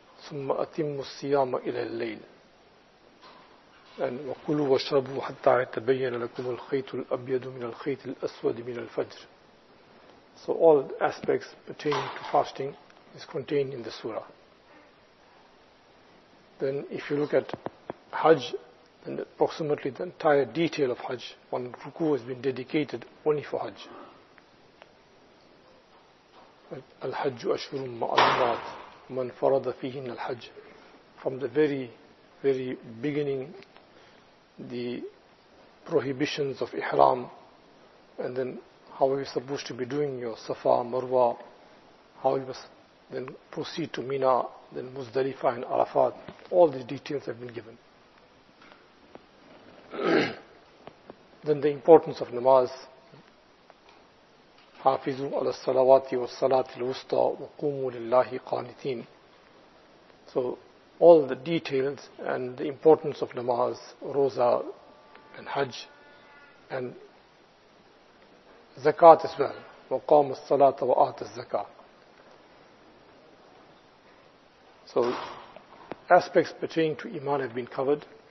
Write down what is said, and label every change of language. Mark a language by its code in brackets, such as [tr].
[ar] ثم أتم الصيام إلى الليل أن وكلوا واشربوا حتى يتبين لكم الخيط الأبيض من الخيط الأسود من الفجر. [en] So all aspects pertaining to fasting is contained in the surah. Then if you look at Hajj, then approximately the entire detail of Hajj, one ruku has been dedicated only for Hajj. [ar] الحج أشهر معلومات من فرض فيهن الحج. [en] From the very, very beginning, the prohibitions of ihram, and then how are you supposed to be doing your Safa, Marwa, how you must then proceed to Mina, then Muzdalifa and Arafat, all these details have been given. Then the importance of namaz. [ar] حافظوا على الصلوات والصلاة الوسطى وقوموا لله قانتين. [en] So all the details and the importance of namaz, roza and hajj and zakat as well. [ar] وقام الصلاة وآت الزكاة. [en] So aspects pertaining to iman have been covered.